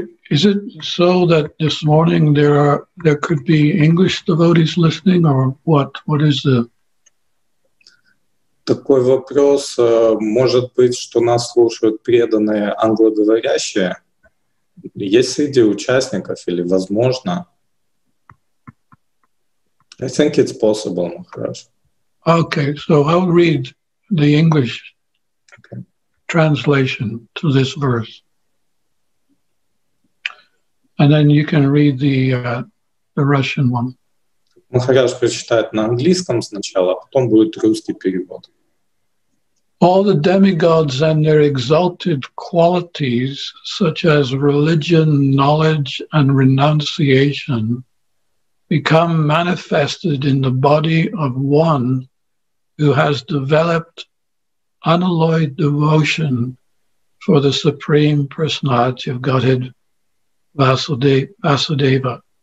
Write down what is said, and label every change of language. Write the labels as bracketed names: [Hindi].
[English] Is it so that this morning there could be English devotees listening, or what? What is the? [Russian] Такой вопрос. Может быть, что нас слушают преданные англоговорящие? Есть среди участников или возможно? [English] I think it's possible, Maharaj. Okay, so I'll read the English translation to this verse. And then you can read the Russian one. [Russian] Maharaj прочитает на английском сначала, а потом будет русский перевод. [English] All the demigods and their exalted qualities, such as religion, knowledge, and renunciation, become manifested in the body of one who has developed unalloyed devotion for the Supreme Personality of Godhead, Vasudeva.